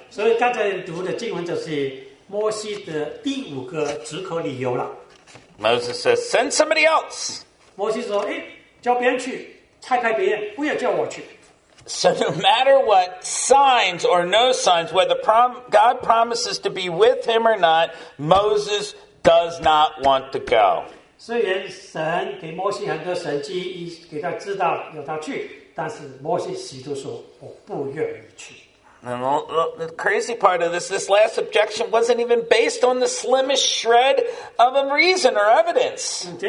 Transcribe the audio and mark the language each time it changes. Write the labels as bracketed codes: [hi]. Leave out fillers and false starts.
[zh] 所以刚才读的经文就是摩西的第五个指口理由了。Moses [en] says, send somebody else. [zh] 摩西说, 诶, 叫别人去, 拆开别人, 不要叫我去。 [en] So no matter what signs or no signs, whether God promises to be with him or not, Moses does not want to go. [zh] 虽然神给摩西很多神迹，给他知道要他去。 [en] The crazy part of this last objection wasn't even based on the slimmest shred of a reason or evidence.